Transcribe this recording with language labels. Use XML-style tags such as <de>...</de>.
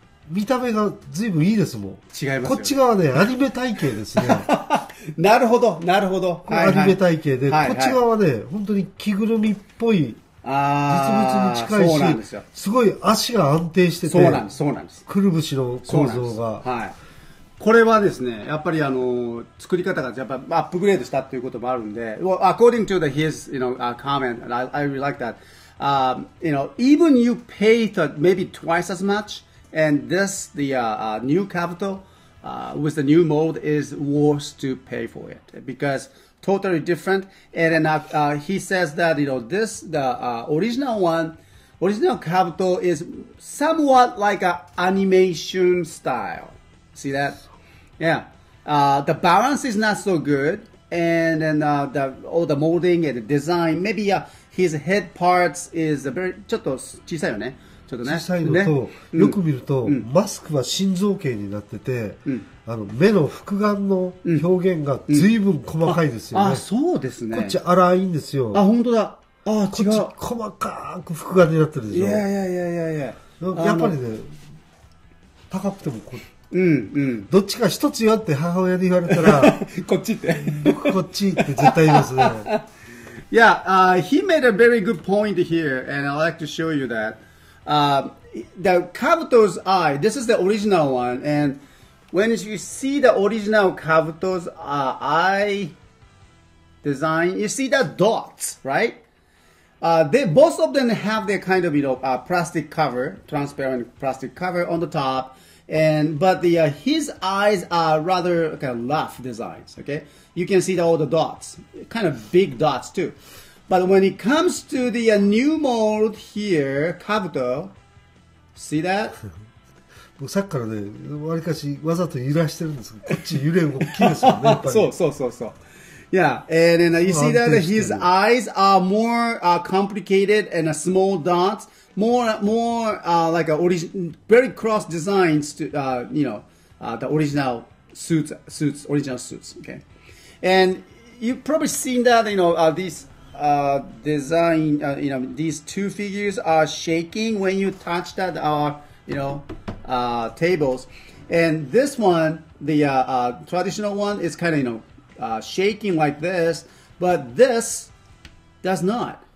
<ja>見た目が随分いいですもん。違いますよ、こっち側ね、アニメ体型ですねなるほどなるほど、はいはい、アニメ体型で、はいはい、こっち側はね、本当に着ぐるみっぽい、実物に近いし、そうなんですよ、すごい足が安定してて、そうなんです、そうなんです、くるぶしの構造が、はい、これはですね、やっぱりあの作り方がやっぱアップグレードしたということもあるんで、</ja> <en>well, according to the his you know, comment, I really like that、 you know, even you pay the, maybe twice as much and this the new capital、with the new mold is worth to pay for it becauseTotally different, and then he says that you know this the original one, original Kabuto is somewhat like a animation style. See that? Yeah. The balance is not so good, and then all the molding and the design. Maybe his head parts is a very</en> <ja>ちょっと小さいよね。ちょっとね。小さいのと、ね、よく見ると、うん、マスクは心臓系になってて。うん、あの目の複眼の表現が随分細かいですよね、うんうん、あ、そうですね、こっち粗いんですよ、あ、本当だ、あ、違う、こっち細かく複眼になってるでしょ、いやいやいやいやいや、やっぱりね、高くてもこ、うんうん、どっちか一つよって母親に言われたらこっちって僕こっちって絶対言いますね。</ja> <en>いや、he made a very good point here and I'd like to show you that、the Kabuto's eye, this is the original one andWhen you see the original Kabuto's eye design, you see the dots, right? They, both of them have their kind of, you know, plastic cover, transparent plastic cover on the top. And, but the, his eyes are rather kind of rough designs, okay? You can see all the dots, kind of big dots too. But when it comes to the new mold here, Kabuto, see that?</en> <ja>さっきからね、わりかしわざと揺らしてるんですけど、こっち揺れ大きいですもんね、やっぱり。そうそうそうそう。</ja> <en>Yeah, and then you see that his eyes are more complicated and a small dots, more like a very cross designs to, you know, the original suits, original suits, okay? And you've probably seen that, you know, these design, you know, these two figures are shaking when you touch that, you know,tables, and this one, the traditional one, is kind of, you know, shaking like this, but this does not.</en>